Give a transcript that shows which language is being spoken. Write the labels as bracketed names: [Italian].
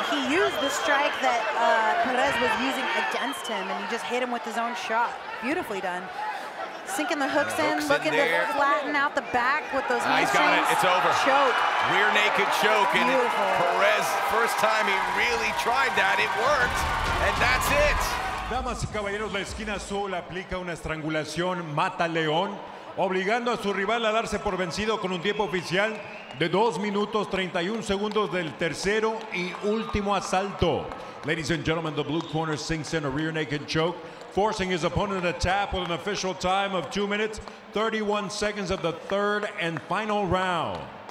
[English] He used the strike that Perez was using against him, and he just hit him with his own shot. Beautifully done. Sinking the hooks in, looking in to flatten out the back with those hamstrings. He's got it, it's over. Choke. Rear naked choke. Beautiful. And Perez, first time he really tried that, it worked, and that's it. [Spanish] Damas y caballeros, la esquina azul aplica una estrangulación, mata león, obligando a su rival a darse por vencido con un tiempo oficial de 2 minutos 31 segundos del tercero y último asalto. [English] Ladies and gentlemen, the blue corner sinks in a rear naked choke, forcing his opponent to tap with an official time of 2 minutes, 31 seconds of the third and final round.